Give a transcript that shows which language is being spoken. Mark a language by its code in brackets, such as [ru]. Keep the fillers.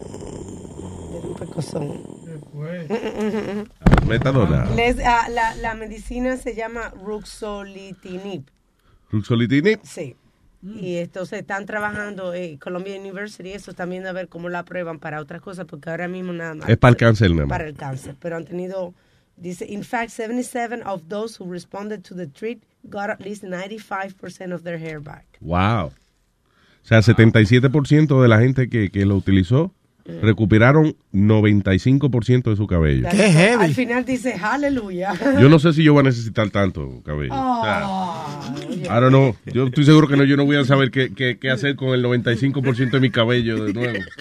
[es] Qué la, metadona. Les, uh, la, la, medicina se llama Ruxolitinib. ¿Ruxolitinib? Sí. Mm. Y entonces están trabajando en Columbia University, eso están viendo a ver cómo la prueban para otras cosas, porque ahora mismo nada más. Es para el cáncer, nada más. Para el cáncer. Pero han tenido. Dice, [en] in fact, 77 of those who responded to the treat got at least 95% of their hair back. Wow. [es] O sea, 77% de la gente que, que lo utilizó recuperaron 95% de su cabello. ¡Qué heavy! Al final dice, aleluya. Yo no sé si yo voy a necesitar tanto cabello. [en] Oh, ah. yeah. I don't know. [es] Yo estoy seguro que no, yo no voy a saber qué, qué, qué hacer con el 95% de mi cabello de nuevo.